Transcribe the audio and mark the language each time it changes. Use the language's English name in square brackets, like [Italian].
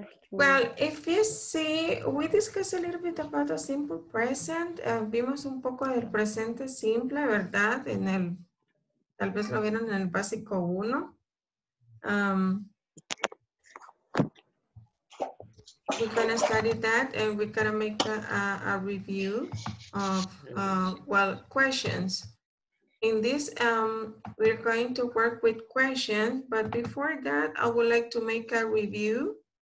[English] Well, if you see, we discussed a little bit about a simple present. [Spanish] Vimos un poco del presente simple, ¿verdad? En el, tal vez lo vieron en el básico uno. [English] We're going to study that and we're going to make a review of, well, questions. In this, we're going to work with questions, but before that, I would like to make a review.